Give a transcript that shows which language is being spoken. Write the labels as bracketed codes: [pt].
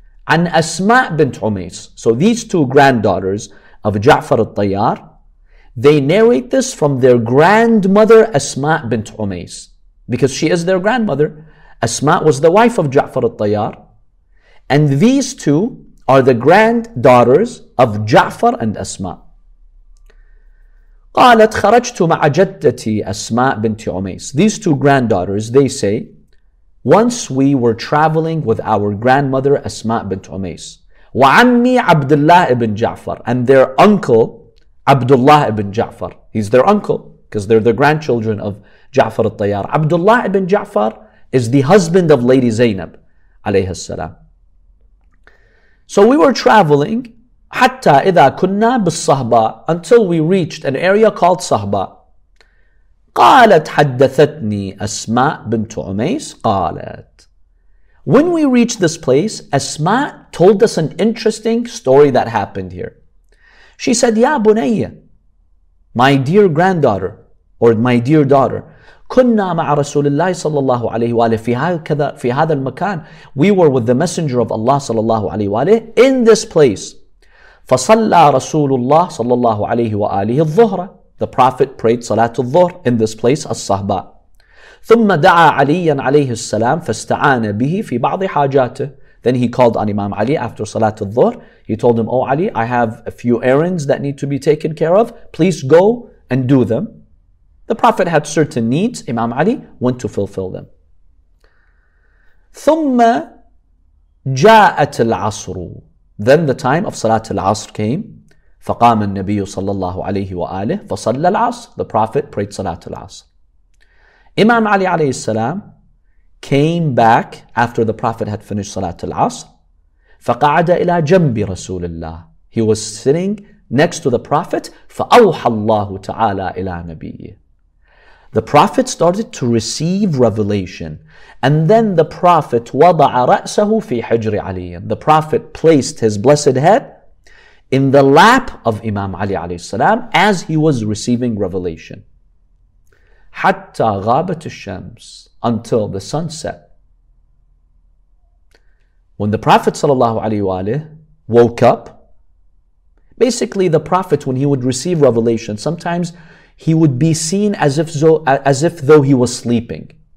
[en] An Asma bint Umays. So these two granddaughters of Ja'far al-Tayyar, they narrate this from their grandmother Asma bint Umays, because she is their grandmother. Asma was the wife of Ja'far al-Tayyar. And these two are the granddaughters of Ja'far and Asma. [ar] قالت خرجت مع جدتي أسماء بنت عميس. [en] These two granddaughters, they say, once we were traveling with our grandmother Asma bint Umays, [ar] وعمي عبد الله ابن جعفر, [en] and their uncle عبد الله ابن جعفر. He's their uncle because they're the grandchildren of Ja'far al-Tayyar. عبد الله ابن جعفر is the husband of Lady Zainab [ar] عليه السلام. [en] So we were traveling [ar] حتى إذا كنا بالصحبة, [en] until we reached an area called صحبة. [ar] قالت حدثتني أسماء بنت عميس قالت. [en] When we reached this place, Asma told us an interesting story that happened here. She said, [ar] يا بنية, [en] my dear granddaughter, or my dear daughter, [ar] كنا مع رسول الله صلى الله عليه وآله في هذا المكان. [en] We were with the messenger of Allah صلى الله عليه وآله in this place. [ar] فصلى رسول الله صلى الله عليه وآله الظهر. [en] The Prophet prayed Salat al-Dhuhr in this place, As-Sahba. [ar] ثم دعا عليا عليه السلام فاستعان به في بعض حاجاته. [en] Then he called on Imam Ali after Salat al-Dhuhr. He told him, Oh Ali, I have a few errands that need to be taken care of. Please go and do them. The Prophet had certain needs. Imam Ali went to fulfill them. [ar] ثم جاءت العصر. [en] Then the time of Salat al-Asr came. [ar] فقام النبي صلى الله عليه وآله فصلى العصر. [en] The Prophet prayed Salat al-Asr. Imam Ali [ar] عليه السلام [en] came back after the Prophet had finished Salat al-Asr. [ar] فقعد إلى جنب رسول الله. [en] He was sitting next to the Prophet. [ar] فأوحى الله تعالى إلى نبيه. [en] The Prophet started to receive revelation. And then the Prophet [ar] وضع رأسه في حجر علي. [en] The Prophet placed his blessed head in the lap of Imam Ali alayhi salam as he was receiving revelation. [ar] حتى غابت الشمس, [en] until the sun set. When the Prophet sallallahu alayhi wa alayhi woke up, Basically, the Prophet, when he would receive revelation, sometimes he would be seen as if though he was sleeping.